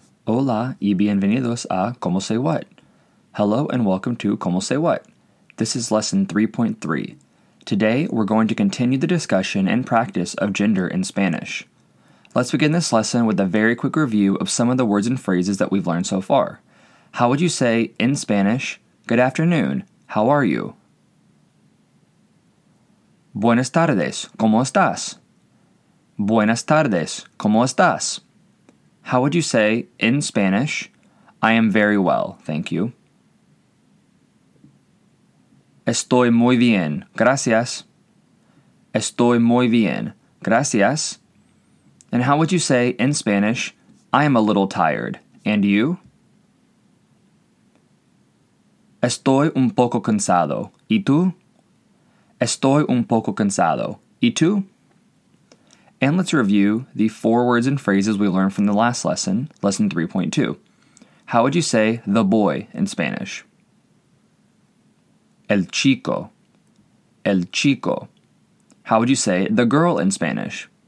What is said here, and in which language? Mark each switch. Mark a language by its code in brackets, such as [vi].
[es] Hola y bienvenidos a [en] ¿Cómo Sé What? Hello and welcome to ¿Cómo Sé What? This is lesson 3.3. Today, we're going to continue the discussion and practice of gender in Spanish. Let's begin this lesson with a very quick review of some of the words and phrases that we've learned so far. How would you say, in Spanish, good afternoon, how are you? [es] Buenas tardes, ¿cómo estás? Buenas tardes, ¿cómo estás? [en] How would you say, in Spanish, I am very well, thank you? [es] Estoy muy bien, gracias. Estoy muy bien, gracias. [en] And how would you say, in Spanish, I am a little tired, and you? [es] Estoy un poco cansado, ¿y tú? Estoy un poco cansado, ¿y tú? [en] And let's review the four words and phrases we learned from the last lesson, lesson 3.2. How would you say the boy in Spanish? [es] El chico. El chico. [en] How would you say the girl in Spanish?